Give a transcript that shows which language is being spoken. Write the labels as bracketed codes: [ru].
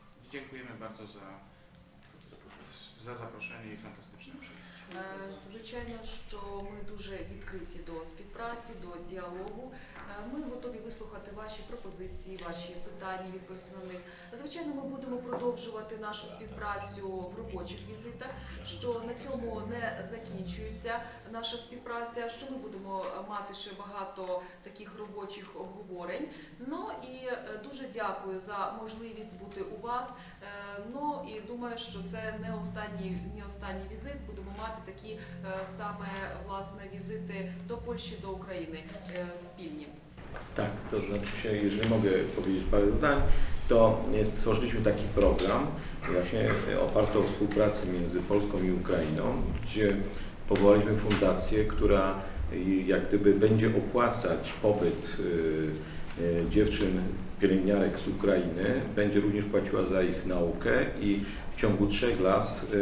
[pl] Dziękujemy bardzo za zaproszenie i fantastyczne przyjęcie. [uk] Звичайно, що ми дуже відкриті до співпраці, до діалогу. Ми готові вислухати ваші пропозиції, ваші питання, відповісти на них. Звичайно, ми будемо продовжувати нашу співпрацю в робочих візитах, що на цьому не закінчується наша співпраця, що ми будемо мати ще багато таких робочих обговорень. Ну і дуже дякую за можливість бути у вас. Ну і думаю, що це не останній візит, будемо мати такі саме, власне, візити до Польщі, до України спільні. Так, то значить, якщо можу повідомити пару здань, то створили такий програм, власне, опарто співпраці між Польською і Україною, де повалили фундацію, яка, як гдиби, буде оплачувати побит дівчин, [pl] pielęgniarek z Ukrainy, będzie również płaciła za ich naukę i w ciągu 3 lat